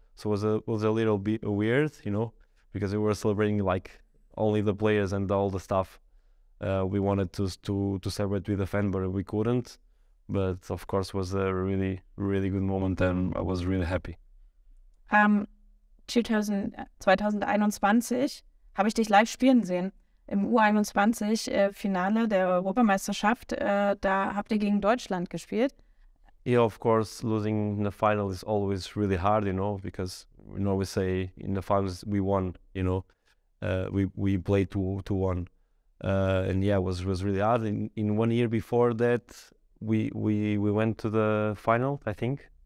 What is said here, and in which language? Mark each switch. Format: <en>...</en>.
<en>So was a little bit weird, you know, because we were celebrating like only the players and all the staff. We wanted to celebrate with the fan, but we couldn't. But of course, was a really really good moment, and I was really happy. 2021.</en> <de>Habe ich dich live spielen sehen im U21-Finale der Europameisterschaft. Da habt ihr gegen Deutschland gespielt.</de> <en>Yeah, of course, losing in the final is always really hard, you know, because you know we say in the finals we won, you know, we played 2-1, and yeah, it was really hard. In 1 year before that, we went to the final, I think.</en>